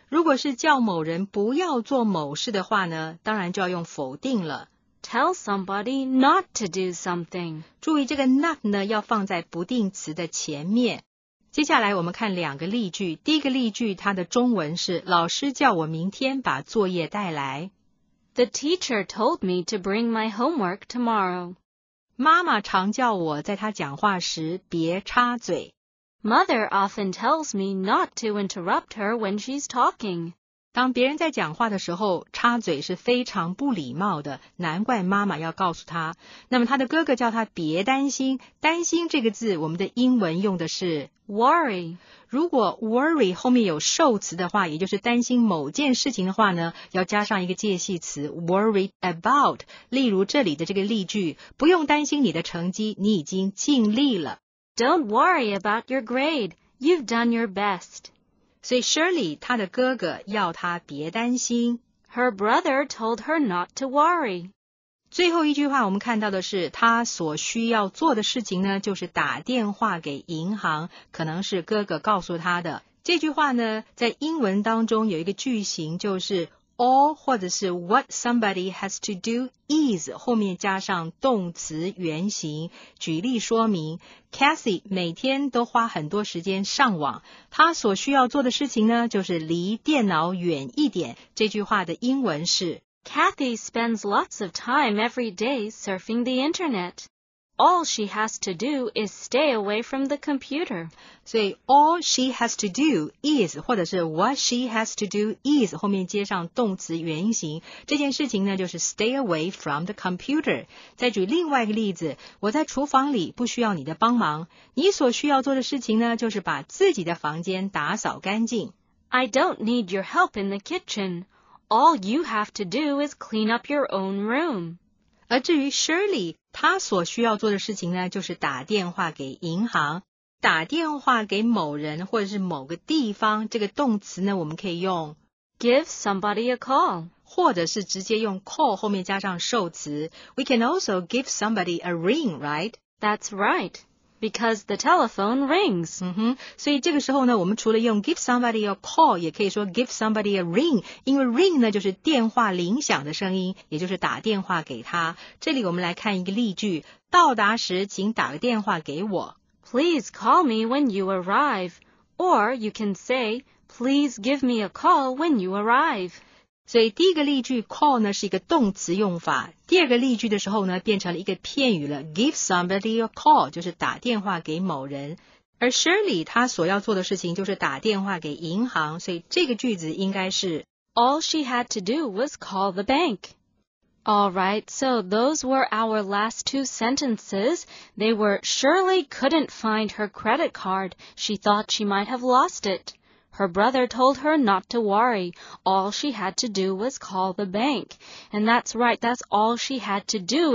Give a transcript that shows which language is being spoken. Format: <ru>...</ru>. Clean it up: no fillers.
<zh>如果是叫某人不要做某事的话呢，当然就要用否定了。</zh> <en>Tell somebody not to do something。</en> <zh>注意这个 not 呢，要放在不定词的前面。接下来我们看两个例句。第一个例句，它的中文是老师叫我明天把作业带来。</zh> <en>The teacher told me to bring my homework tomorrow.</en> <zh>妈妈常叫我在她讲话时别插嘴。</zh> <en>Mother often tells me not to interrupt her when she's talking.</en> <zh>当别人在讲话的时候，插嘴是非常不礼貌的，难怪妈妈要告诉她。那么她的哥哥叫她别担心，担心这个字我们的英文用的是</zh> <en>Worry.</en> <zh>如果 worry 后面有受词的话，也就是担心某件事情的话呢，要加上一个介系词</zh> <en>worried about.</en> <zh>例如这里的这个例句，不用担心你的成绩，你已经尽力了。</zh> <en>Don't worry about your grade. You've done your best.</en> <zh>所以 Shirley 她的哥哥要她别担心。</zh> <en>Her brother told her not to worry.</en> <zh>最后一句话我们看到的是，他所需要做的事情呢，就是打电话给银行，可能是哥哥告诉他的。这句话呢，在英文当中有一个句型，就是 all 或者是</zh> <en>what somebody has to do is</en> <zh>后面加上动词原形。举例说明 ，Cathy 每天都花很多时间上网，他所需要做的事情呢，就是离电脑远一点。这句话的英文是。</zh> <en>Cathy spends lots of time every day surfing the internet. All she has to do is stay away from the computer.</en> <zh>所以</zh> <en>all she has to do is</en> <zh>或者是</zh> <en>what she has to do is</en> <zh>后面接上动词原形，这件事情呢就是</zh> <en>stay away from the computer.</en> <zh>再举另外一个例子，我在厨房里不需要你的帮忙，你所需要做的事情呢就是把自己的房间打扫干净。</zh> <en>I don't need your help in the kitchen. All you have to do is clean up your own room.</en> <zh>而至于 Shirley, 她所需要做的事情呢，就是打电话给银行。打电话给某人或者是某个地方，这个动词呢，我们可以用</zh> <en>give somebody a call,</en> <zh>或者是直接用 call 后面加上受词。</zh> <en>We can also give somebody a ring, right? That's right. Because the telephone rings.</en> <zh>嗯哼，所以这个时候呢，我们除了用</zh> <en>give somebody a call，</en> <zh>也可以说</zh> <en>give somebody a ring，</en> <zh>因为 ring 呢就是电话铃响的声音，也就是打电话给他。这里我们来看一个例句，到达时请打个电话给我。</zh> <en>Please call me when you arrive. Or you can say, please give me a call when you arrive.</en> <zh>所以第一个例句 call 呢是一个动词用法，第二个例句的时候呢变成了一个片语了，</zh> <en>give somebody a call</en> <zh>就是打电话给某人。而 Shirley 她所要做的事情就是打电话给银行，所以这个句子应该是</zh> <en>All she had to do was call the bank. All right, so those were our last two sentences. They were, Shirley couldn't find her credit card. She thought she might have lost it. Her brother told her not to worry. All she had to do was call the bank. And that's right, that's all she had to do.</en>